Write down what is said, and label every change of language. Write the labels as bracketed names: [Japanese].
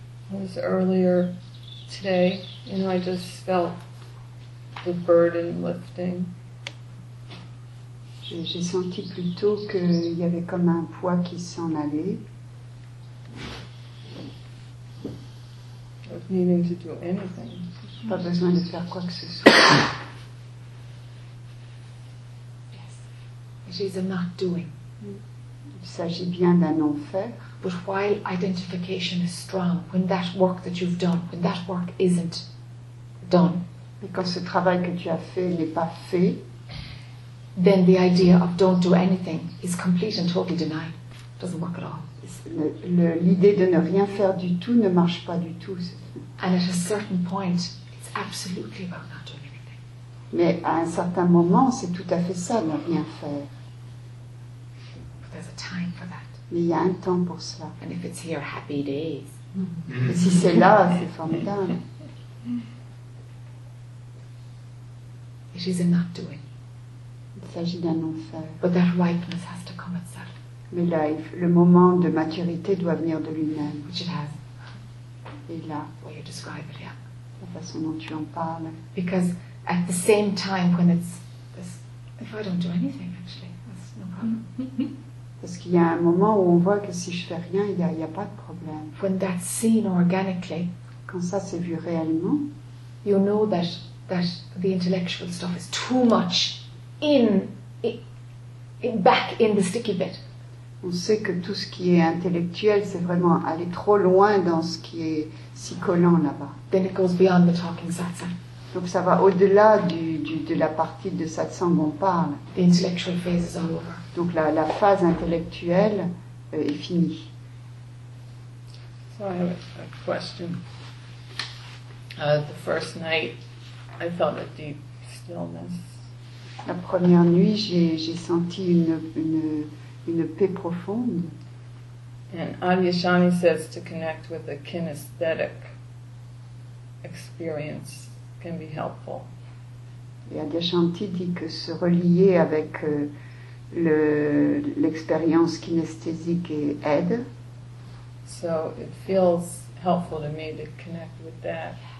[English] Was earlier today, you know, I just felt the burden lifting. [French] J'ai senti plus tôt qu'il y avait comme un poids qui s'en allait. [English] Not needing to do anything. [French] Pas besoin de faire quoi que ce soit. [English] Yes, it is a not doing. [French] Il s'agit bien d'un non-faire. [English] But while identification is strong, when that work that you've done, when that work isn't done, [French] et quand ce travail que tu as fait n'est pas fait, [English] then the idea of don't do anything is complete and totally denied. It doesn't work at all. [French] L'idée de ne rien faire du tout ne marche pas du tout. [English] And at a certain point, it's absolutely about not doing anything. [French] Mais à un certain moment, c'est tout à fait ça, ne rien faire. [English] But there's a time for that. [French] Mais il y a un temps pour cela. [English] And if it's here, happy days. [French] Mm. Et si c'est là, c'est formidable. [English] It is a not doing. [French] Il s'agit d'un non-faire. [English] But that ripeness has to come itself. [French] Mais là, le moment de maturité doit venir de lui-même. [English] Which it has. [French] Et là. [English] Well, you describe it, yeah. [French] La façon dont tu en parles. [English] Because at the same time when it's this, if I don't do anything, actually, that's no problem. [French] Parce qu'il y a un moment où on voit que si je fais rien, il n'y a pas de problème. [English] When that's seen organically, [French] quand ça s'est vu réellement, [English] you know that the intellectual stuff is too much in back in the sticky bit. [French] On sait que tout ce qui est intellectuel, c'est vraiment aller trop loin dans ce qui est si collant là-bas. [English] Then it goes beyond the talking satsang. [French] Donc ça va au-delà de la partie de satsang où on parle. [English] The intellectual phase is all over. [French] Donc la phase intellectuelle est finie. [English] So I have a question. The first night, I felt a deep stillness. [French] La première nuit, j'ai senti une paix profonde. [English] And Adyashami says to connect with a kinesthetic experience can be helpful. [French] Et Adyashanti dit que se relier avec l'expérience kinesthésique et aide. [English] So it feels helpful to me to connect with that.